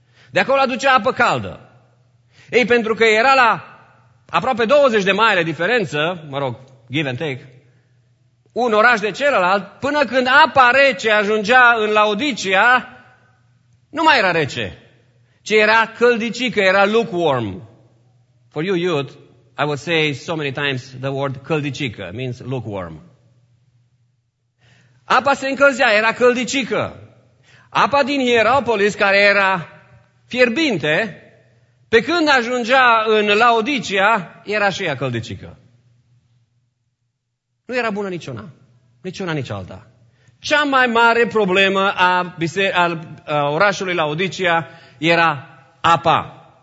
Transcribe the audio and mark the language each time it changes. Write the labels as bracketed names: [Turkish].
[Romanian] De acolo aducea apă caldă. Ei, pentru că era la aproape 20 de maile diferență, mă rog, [English] give and take, [Romanian] un oraș de celălalt, până când apa rece ajungea în Laodicea, nu mai era rece, ci era căldicică, era lukewarm. [English] For you youth, I would say so many times the word căldicică means lukewarm. [Romanian] Apa se încălzea, era căldicică. Apa din Hierapolis, care era fierbinte, pe când ajungea în Laodicea, era și ea căldicică. Nu era bună niciuna, niciuna nici alta. Cea mai mare problemă a orașului Laodicea era apa.